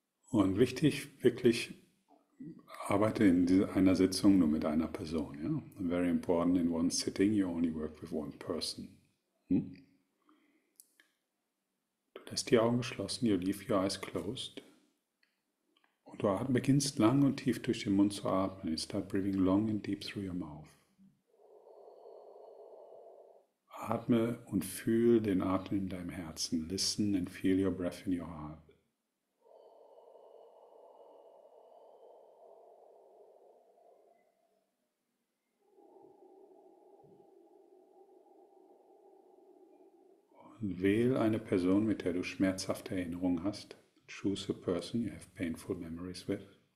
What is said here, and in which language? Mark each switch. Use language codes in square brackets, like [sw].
[de] Und wichtig, wirklich, arbeite in einer Sitzung nur mit einer Person. Ja? [en] Very important, in one sitting, you only work with one person. [de] Du lässt die Augen geschlossen, [en] you leave your eyes closed. [de] Und du beginnst lang und tief durch den Mund zu atmen. [en] You start breathing long and deep through your mouth. [de] Atme und fühl den Atem in deinem Herzen. [en] Listen and feel your breath in your heart. [de] Und wähl eine Person, mit der du schmerzhafte Erinnerungen hast. [en] Choose a person you have painful memories with.